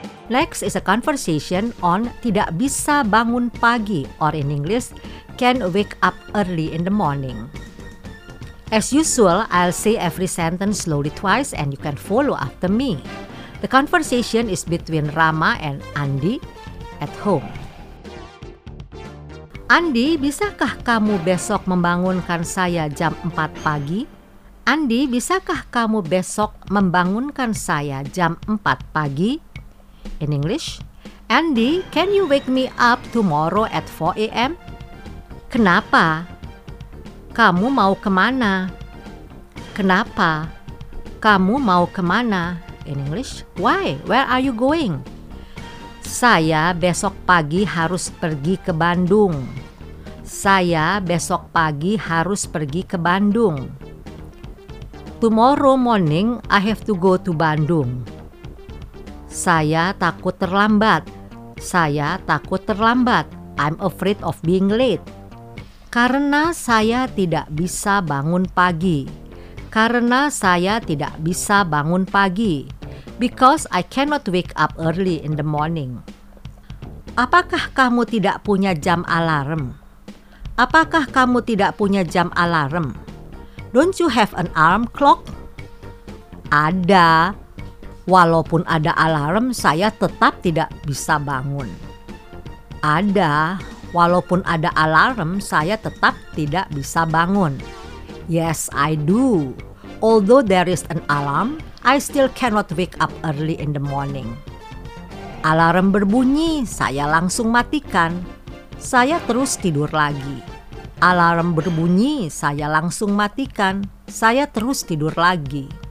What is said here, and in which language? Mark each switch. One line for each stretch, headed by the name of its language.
English: Next is a conversation on
Indonesian: tidak bisa bangun pagi,
English: or in English, can wake up early in the morning. As usual, I'll say every sentence slowly twice and you can follow after me. The conversation is between Rama and Andi at home.
Indonesian: Andi, bisakah kamu besok membangunkan saya jam 4 pagi? Andi, bisakah kamu besok membangunkan saya jam 4 pagi?
English: In English, Andi, can you wake me up tomorrow at 4 a.m.?
Indonesian: Kenapa? Kamu mau kemana? Kenapa? Kamu mau kemana?
English: In English, why? Where are you going?
Indonesian: Saya besok pagi harus pergi ke Bandung. Saya besok pagi harus pergi ke Bandung.
English: Tomorrow morning I have to go to Bandung.
Indonesian: Saya takut terlambat. Saya takut terlambat.
English: I'm afraid of being late.
Indonesian: Karena saya tidak bisa bangun pagi. Karena saya tidak bisa bangun pagi.
English: Because I cannot wake up early in the morning.
Indonesian: Apakah kamu tidak punya jam alarm? Apakah kamu tidak punya jam alarm?
English: Don't you have an alarm clock?
Indonesian: Ada. Walaupun ada alarm, saya tetap tidak bisa bangun. Ada. Walaupun ada alarm, saya tetap tidak bisa bangun.
English: Yes, I do. Although there is an alarm, I still cannot wake up early in the morning.
Indonesian: Alarm berbunyi, saya langsung matikan. Saya terus tidur lagi. Alarm berbunyi, saya langsung matikan. Saya terus tidur lagi.